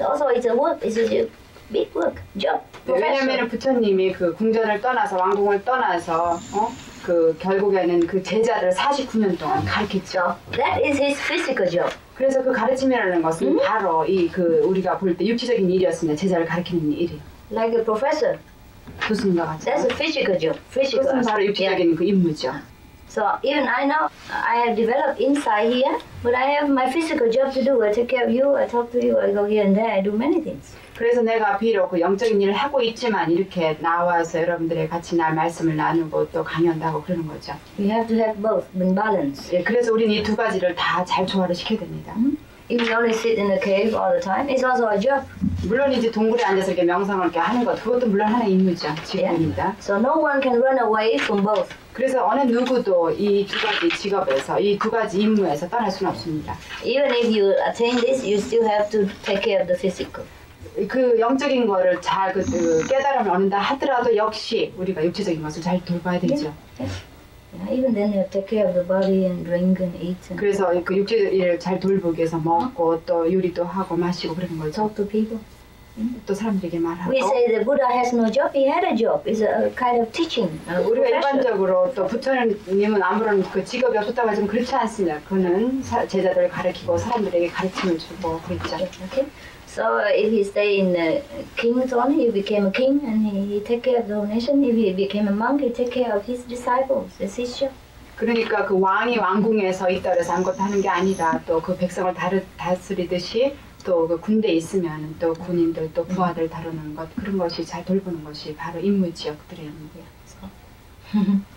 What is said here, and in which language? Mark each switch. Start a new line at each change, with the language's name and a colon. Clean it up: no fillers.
English: Also, it's a work. It's a big work job.
Korean: 네, 왜냐하면 부처님이 그 궁전을 떠나서 왕궁을 떠나서 그 결국에는 그 제자를 49년 동안 가르쳤죠.
English: That is his physical job.
Korean: 그래서 그 가르침이라는 것은 바로 이 그 우리가 볼 때 육체적인 일이었습니다. 제자를 가르치는 일이에요.
English: Like a professor.
Korean: 교수님과 같이.
English: That's a physical job. Physical.
Korean: 그것은 바로 육체적인 그 임무죠.
English: So even I know I have developed inside here, but I have my physical job to do. I take care of you, I talk to you, I go here and there, I do many things.
Korean: 그래서 내가 비록 그 영적인 일을 하고 있지만 이렇게 나와서 여러분들의 같이 날 말씀을 나누고 또 강연도 하고 그러는 거죠.
English: We have to have both in balance.
Korean: 예, 그래서 우리는 이 두 가지를 다 잘 조화를 시켜야 됩니다.
English: If you only sit in a cave all the time, it's also a job.
Korean: 물론 이제 동굴에 앉아서 이렇게 명상을 이렇게 하는 것, 그것도 물론 하나의 임무죠, 직업입니다.
English: Yeah. So no one can run away from both.
Korean: 그래서 어느 누구도 이 두 가지 직업에서, 이 두 가지 임무에서 떠날 수는 없습니다.
English: Even if you attain this, you still have to take care of the physical.
Korean: 그 영적인 거를 잘 그 깨달음을 얻는다 하더라도 역시 우리가 육체적인 것을 잘 돌봐야 되죠.
English: Even then, you take care of the body and drink and eat.
Korean: 그래서 그 육체 일을 잘 돌보기 위해서 먹고 또 요리도 하고 마시고 그런 걸
English: talk to people.
Korean: 또 사람들에게 말하고.
English: We say the Buddha has no job. He had a job. It's a kind of teaching.
Korean: 우리가 일반적으로 또 부처님은 아무런 그 직업이 없었다고 하지만 그렇지 않습니다. 그는 제자들을 가르치고 사람들에게 가르침을 주고 그랬죠.
English: So if he stay in the king's zone, he became a king and he take care of the nation. If he became a monk, he take care of his disciples, his teacher.
Korean: 그러니까 그 왕이 왕궁에서 있다라서 아무것도 하는 게 아니다. 또 그 백성을 다스리듯이 또 그 군대에 있으면 또 군인들 또 부하들 다루는 것 그런 것이 잘 돌보는 것이 바로 임무 지역들의 임무야.